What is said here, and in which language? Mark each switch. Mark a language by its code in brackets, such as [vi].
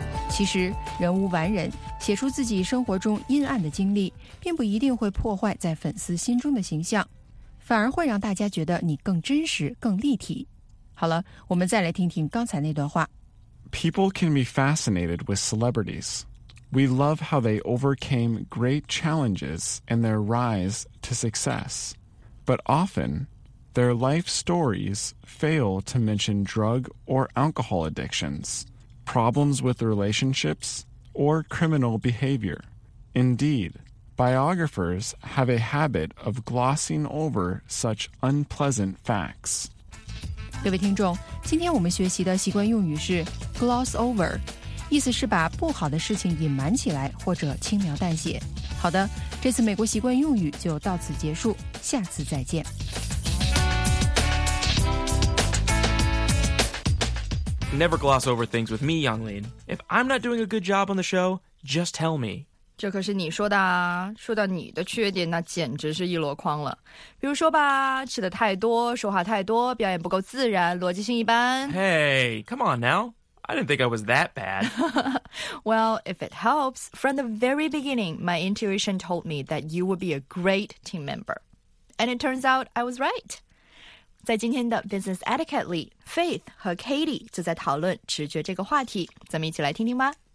[zh] 其实，人无完人，写出自己生活中阴暗的经历，并不一定会破坏在粉丝心中的形象，反而会让大家觉得你更真实、更立体。好了，我们再来听听刚才那段话。 [en] People can be fascinated with celebrities. We love how they overcame great challenges and their rise to success. But often, their life stories fail to mention drug or alcohol addictions. Problems with relationships, or criminal behavior. Indeed, biographers have a habit of glossing over such unpleasant facts. [zh] 各位听众，今天我们学习的习惯用语是 gloss over, 意思是把不好的事情隐瞒起来或者轻描淡写。好的，这次美国习惯用语就到此结束，下次再见。 [en] Never gloss over things with me, Yonglin. If I'm not doing a good job on the show, just tell me. [zh] 这可是你说的啊。说到你的缺点，那简直是一箩筐了。比如说吧，吃的太多，说话太多，表演不够自然，逻辑性一般。 [en] Hey, come on now. I didn't think I was that bad. Well, if it helps, from the very beginning, my intuition told me that you would be a great team member. And it turns out I was right. [zh] 在今天的 Business Etiquette 里 ,Faith 和 Katie 就在讨论直觉这个话题。咱们一起来听听吧。